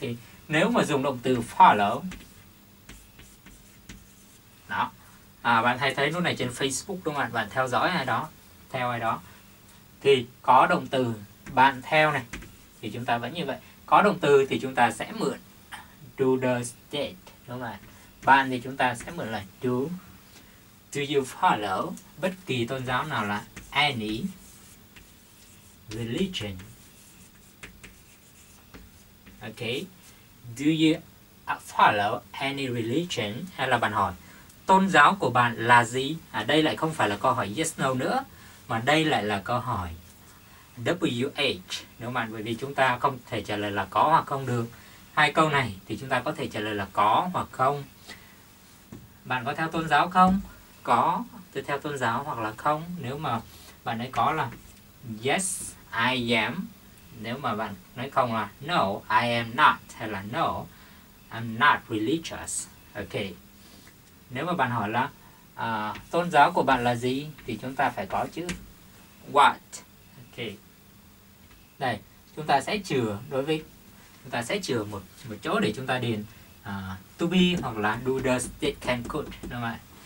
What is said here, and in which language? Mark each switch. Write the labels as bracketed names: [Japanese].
[Vietnamese] Thì nếu mà dùng động từ follow, đó, bạn hay thấy lúc này trên Facebook đúng không ạ, bạn theo dõi ai đó, theo ai đó, thì có động từ bạn theo này, thì chúng ta vẫn như vậy, có động từ thì chúng ta sẽ mượn do the state, đúng không ạ, bạn thì chúng ta sẽ mượn là do. [English] Do you follow [Vietnamese] bất kỳ tôn giáo nào là [English] any religion? Ok. Do you follow any religion? [Vietnamese] Hay là bạn hỏi tôn giáo của bạn là gì? Đây lại không phải là câu hỏi yes, no nữa, mà đây lại là câu hỏi WH, đúng không ạ? Bởi vì chúng ta không thể trả lời là có hoặc không được. Hai câu này thì chúng ta có thể trả lời là có hoặc không. Bạn có theo tôn giáo không? Có, tôi theo tôn giáo hoặc là không. Nếu mà bạn ấy có là [English] yes, I am. [Vietnamese] Nếu mà bạn nói không là [English] no, I am not. [Vietnamese] Hay là [English] no, I'm not religious. Ok. [Vietnamese] Nếu mà bạn hỏi là tôn giáo của bạn là gì, thì chúng ta phải có chữ what. Ok. Đây, chúng ta sẽ chừa đối với, chúng ta sẽ chừa một chỗ để chúng ta điền to be hoặc là do the state can could, đúng không ạ?